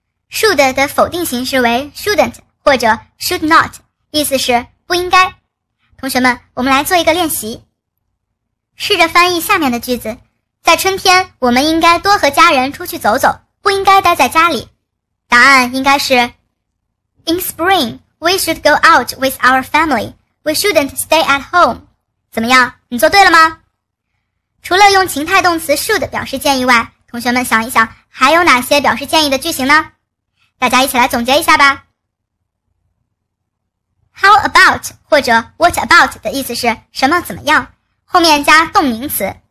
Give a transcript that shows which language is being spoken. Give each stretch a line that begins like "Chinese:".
Chinese: Should 的否定形式为 shouldn't 或者 should not, 意思是不应该。同学们，我们来做一个练习。试着翻译下面的句子，在春天，我们应该多和家人出去走走，不应该待在家里。答案应该是
English: In spring,We should go out with our family. We shouldn't stay at home.
Chinese: 怎么样？你做对了吗？除了用情态动词 should 表示建议外，同学们想一想，还有哪些表示建议的句型呢？大家一起来总结一下吧。 How about 或者 what about 的意思是什么怎么样，后面加动名词。